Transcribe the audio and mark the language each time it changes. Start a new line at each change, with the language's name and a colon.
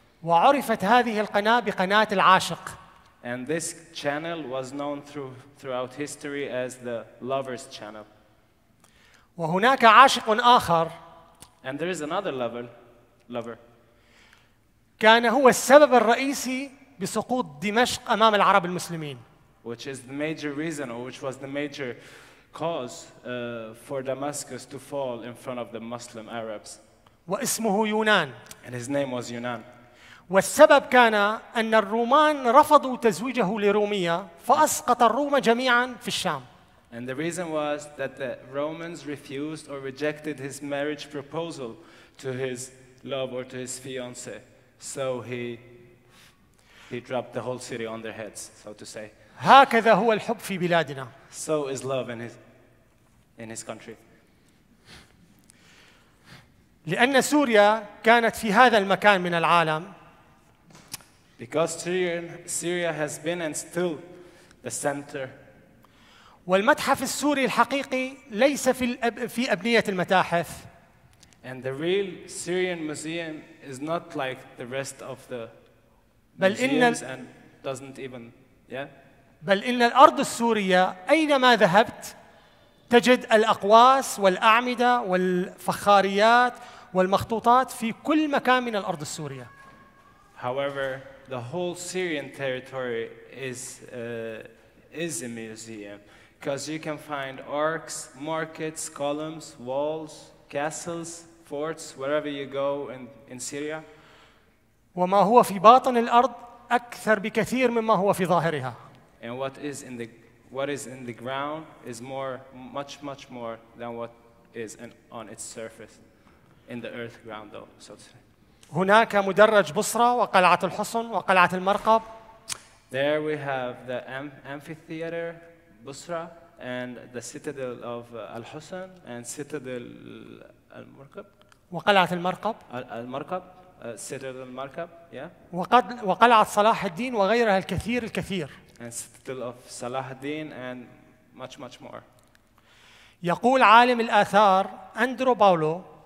Arabic: وعرفت هذه القناة بقناة العاشق.
English: And this channel was known throughout history as the lover's channel.
Arabic: وهناك عاشق آخر.
English: And there is another lover.
Arabic: كان هو السبب الرئيسي بسقوط دمشق أمام العرب المسلمين.
English: Which is the major reason, or which was the major cause for Damascus to fall in front of the Muslim Arabs.
Arabic: واسمه يونان.
English: And his name was Yunan.
Arabic: والسبب كان أن الرومان رفضوا تزويجه لرومية فأسقط الروم جميعا في الشام.
English: And the reason was that the Romans refused or rejected his marriage proposal to his love or to his fiance. So he dropped the whole city on their heads, so to say.
Arabic: هكذا هو الحب في بلادنا.
English: So is love in his country.
Arabic: لأن سوريا كانت في هذا المكان من العالم.
English: Because Syria has been and still the center.
Arabic: والمتحف السوري الحقيقي ليس في أبنية المتاحف.
English: And the real Syrian museum is not like the rest of the museums and doesn't even, yeah.
Arabic: بل إن الأرض السورية أينما ذهبت تجد الأقواس والأعمدة والفخاريات والمخطوطات في كل مكان من الأرض السورية.
English: However, the whole Syrian territory is a museum, because you can find arcs, markets, columns, walls, castles, forts, wherever you go in Syria.
Arabic: وما هو في باطن الأرض أكثر بكثير مما هو في ظاهرها.
English: And what is in the ground is more, much more than what is on its surface, in the earth ground though, so to say.
Arabic: هناك مدرج بصرة وقلعة الحصن وقلعة المرقب.
English: There we have the amphitheater, Busra, and the citadel of Al-Husn and citadel Al-Marqab.
Arabic: وقلعة المرقب.
English: المرقب. Citadel Al-Marqab. Yeah.
Arabic: وقلعة صلاح الدين وغيرها الكثير.
English: And citadel of Salah al-Din and much more.
Arabic: يقول عالم الآثار أندرو باولو.